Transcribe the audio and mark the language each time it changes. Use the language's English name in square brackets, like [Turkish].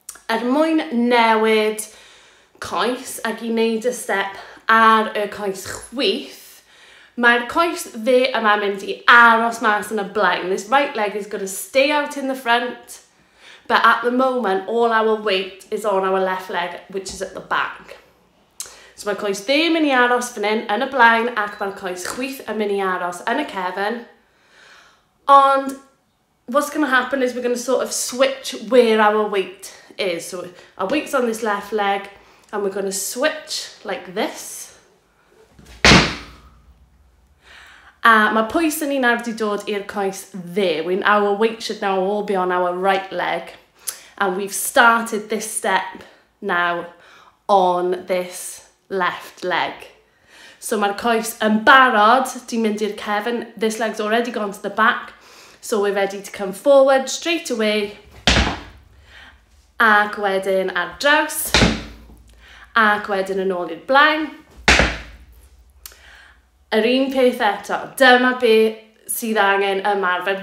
[Welsh] Er mwyn newid coes ac I wneud y step ar y coes chwith, mae'r coes dde yma mynd I aros mas yn y blaen. [English] This right leg is going to stay out in the front, but at the moment all our weight is on our left leg, which is at the back. [Welsh] So mae'r coes dde yn mynd I aros fan hyn yn y blaen ac mae'r coes chwith yn mynd I aros yn y cefn. [English] Ond what's going to happen is we're going to sort of switch where our weight is. So our weight's on this left leg, and we're going to switch like this. [Welsh] A mae pwys yn un ar wedi dod i'r coes dde. [English] Our weight should now all be on our right leg. And we've started this step now on this left leg. [Welsh] So mae'r coes yn barod, di mynd i'r cefn. [English] This leg's already gone to the back. So we're ready to come forward straight away. [Welsh] Ac wedyn ar draws. Ac wedyn yn ôl i'r blaen. Yr un peth eto, dyma beth sydd angen ymarfer.